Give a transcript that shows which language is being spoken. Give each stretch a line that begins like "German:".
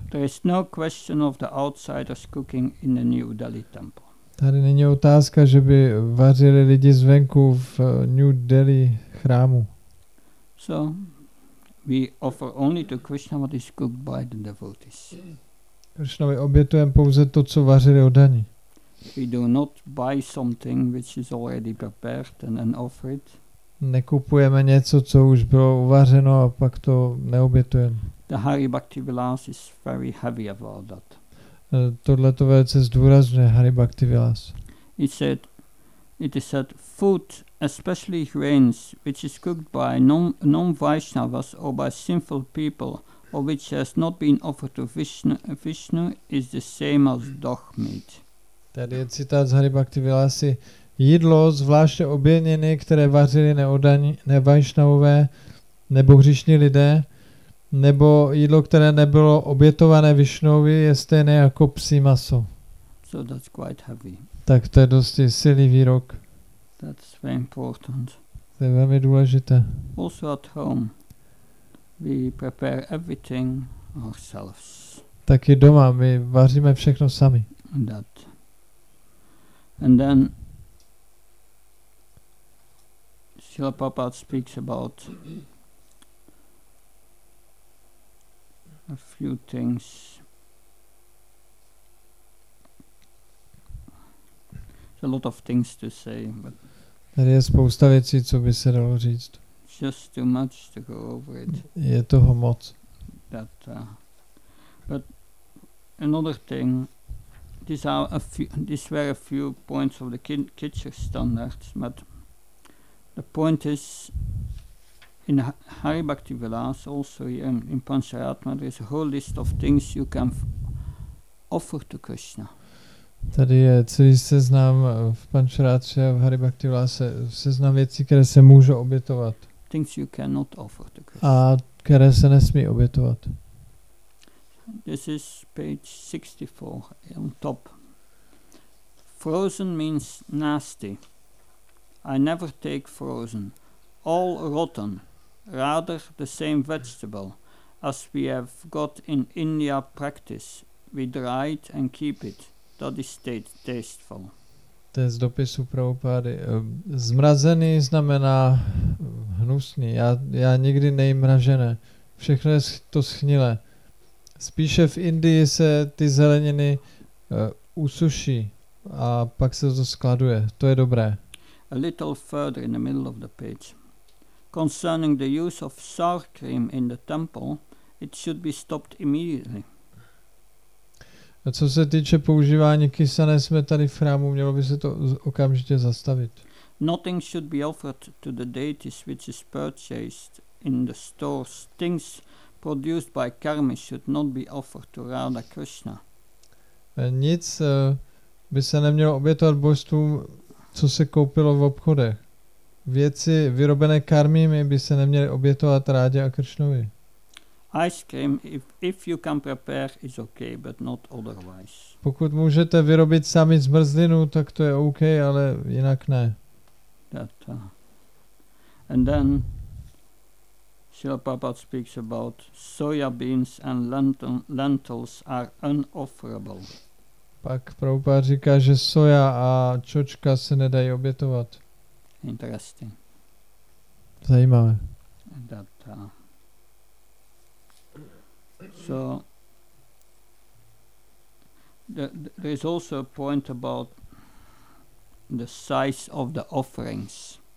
English: There is no question of the outsiders cooking in the New Delhi temple.
Czech: Tady není otázka, že by vařili lidi zvenku v New Delhi chrámu.
English: So, we offer only to Krishna what is cooked by the devotees.
Czech: Krishnovi obětujeme pouze to, co vařili odani.
English: We do not buy something which is already prepared and then offer it.
Czech: Nekupujeme něco, co už bylo uvařeno a pak to neobětujeme.
English: The Hari Bhakti Vilas is very heavy about that.
Czech: Tohle to velice zdůrazňuje Hari Bhakti Vilas.
English: It is said food, especially grains, which is cooked by non-Vaishnavas or by sinful people, or which has not been offered to Vishnu, is the same as dog meat.
Czech: Tady je citát z Hari Bhakti Vilasy. Jídlo, zvláště obilniny, které vařili nevajšnavové nebo hříšní lidé, nebo jídlo, které nebylo obětované Višnovi, je stejné jako psí maso.
English: So that's quite heavy.
Czech: Tak to je dosti silný výrok.
English: That's very important.
Czech: To je velmi důležité.
English: Also at home, we prepare everything ourselves.
Czech: Taky doma, my vaříme všechno sami.
English: That. And then Srila Prabhupada speaks about a few things. There's a lot of things to say, but
Czech: tady je spousta věcí, co by se dalo říct.
English: Just too much to go over it.
Czech: Je toho moc.
English: That, but another thing. These were a few points of the kitchen standards, but the point is. In Hari Bhakti Vilas, also here in Pancharatma, there is a whole list of things you can offer to Krishna.
Czech: Tady je celý seznam v Pancharatře a v Hari Bhakti Vilase, seznam věcí, které se může obětovat.
English: Things you cannot offer to Krishna.
Czech: A které se nesmí obětovat.
English: This is page 64 on top. Frozen means nasty. I never take frozen. All rotten. Rather the same vegetable, as we have got in India practice. We dry it and keep it. That is tasteful.
Czech: To je z dopisu Prabhupády. Zmrazený znamená hnusný. Já nikdy nejím mražené. Všechno je to schnilé. Spíše v Indii se ty zeleniny usuší a pak se to skladuje. To je dobré.
English: A little further in the middle of the page. Concerning the use of sour cream in the temple, it should be stopped immediately.
Czech: A co se týče používání kysané smetany v chrámu, mělo by se to okamžitě zastavit.
English: Nothing should be offered to the deities which is purchased in the stores. Things produced by karma should not be offered to Radha Krishna.
Czech: Nic by se nemělo obětovat božstvům, co se koupilo v obchodech. Věci vyrobené karmími by se neměly obětovat Rádě a Kršnovi.
English: Ice cream, if you can prepare, is okay, but not otherwise.
Czech: Pokud můžete vyrobit sami zmrzlinu, tak to je OK, ale jinak ne.
English: That, and then Srila Prabhupada speaks about soya beans and lentils are unofferable.
Czech: Pak Prabhupada říká, že soja a čočka se nedají obětovat.
English: Interesting.
Czech: Zajímavé.
English: That, so there is also a point about the size of the offerings.